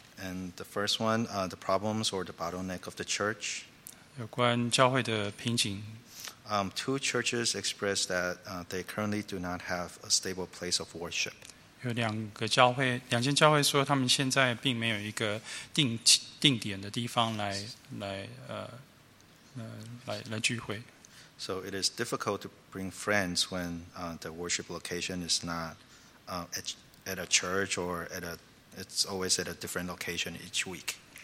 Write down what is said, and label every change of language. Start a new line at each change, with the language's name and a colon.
English: And the first one, the problems or the bottleneck of the church.
Chinese: 有关教会的瓶颈.
English: Two churches expressed that they currently do not have a stable place of worship.
Chinese: 有两个教会，两间教会说他们现在并没有一个定点的地方来聚会.
English: So it is difficult to bring friends when the worship location is not at a church or at a. It's always at a different location each week.